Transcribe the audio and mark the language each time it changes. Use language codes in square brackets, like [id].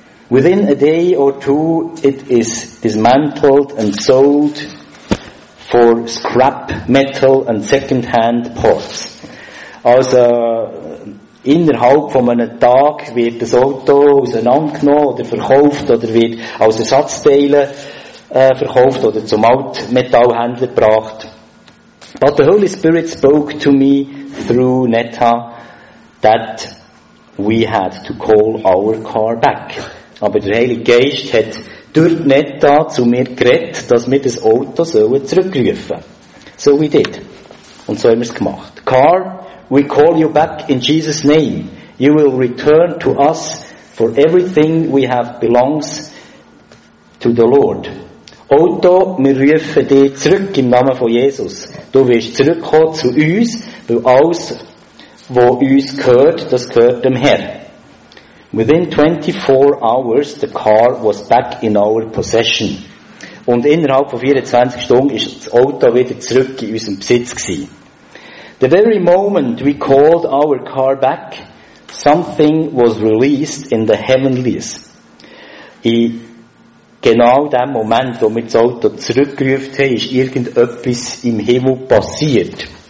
[en] Within a day or two, it is dismantled and sold for scrap metal and second-hand parts. [de] Also, innerhalb von einem Tag wird das Auto auseinandergenommen oder verkauft oder wird als Ersatzteile verkauft oder zum Altmetallhändler gebracht. [en] But the Holy Spirit spoke to me through Netta that we had to call our car back. [de] Aber der Heilige Geist hat durch Netta zu mir geredet, dass wir das Auto sollen zurückrufen. [en] So we did. [de] Und so haben wir es gemacht. [en] Car, we call you back in Jesus' name. You will return to us for everything we have belongs to the Lord. [de] Auto, wir rufen dich zurück im Namen von Jesus. Du wirst zurückkommen zu uns, weil alles, was uns gehört, das gehört dem Herrn. [en] Within 24 hours, the car was back in our possession. [de] Und innerhalb von 24 Stunden ist das Auto wieder zurück in unserem Besitz gewesen. [en] The very moment we called our car back, something was released in the heavenlies. [de] Genau in dem Moment, wo wir das Auto zurückgerufen haben, ist irgendetwas im Himmel passiert.